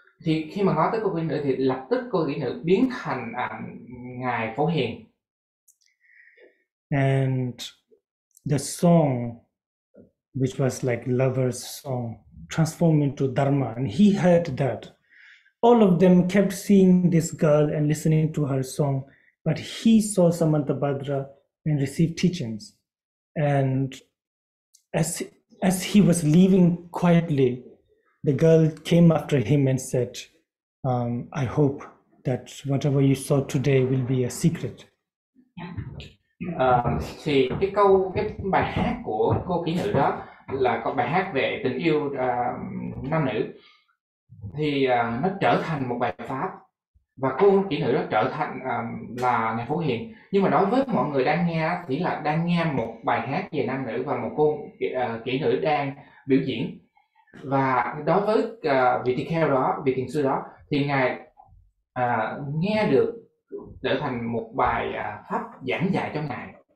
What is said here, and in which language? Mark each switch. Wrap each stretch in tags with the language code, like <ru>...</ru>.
<vi>Thì khi mà ngó tới cô kỹ nữ thì lập tức cô kỹ nữ biến thành ngài Phổ Hiền.</vi> <en>And the song, which was like lover's song, transformed into Dharma, and he heard that. All of them kept seeing this girl and listening to her song, but he saw Samantabhadra and received teachings. And as he was leaving quietly, the girl came after him and said, I hope that whatever you saw today will be a secret.</en> <vi>Thì cái câu, cái bài hát của cô kỹ nữ đó là có bài hát về tình yêu nam nữ, thì nó trở thành một bài pháp, và cô kỹ nữ đó trở thành là ngài Phổ Hiền. Nhưng mà đối với mọi người đang nghe thì là đang nghe một bài hát về nam nữ và một cô kỹ nữ đang biểu diễn, và đối với vị tỳ kheo đó, vị thiền sư đó, thì ngài nghe được trở thành một bài pháp giảng dạy cho ngài.</vi>